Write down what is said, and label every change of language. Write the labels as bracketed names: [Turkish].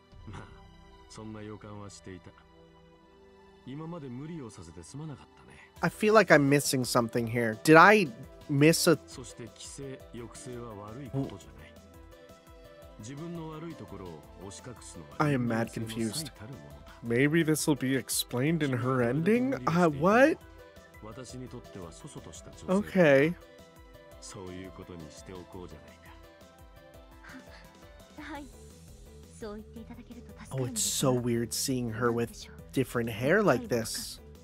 [Japanese] まあそんな予感はしていた。今まで無理をさせてすまなかったね。 [English] I feel like I'm missing something here. Did I miss a... [Japanese] そして規制、抑制は悪いことじゃない。自分の悪いところを押し隠すのは、 [English] I am mad confused. Maybe this will be explained in her ending? What? [Japanese] 私にとってはそそとした女性。 [English] Okay. [Japanese] そういうことにしておこうじゃないか。はい。そう言っていただけると助かります。 [English] Oh, it's so weird seeing her with different hair like this.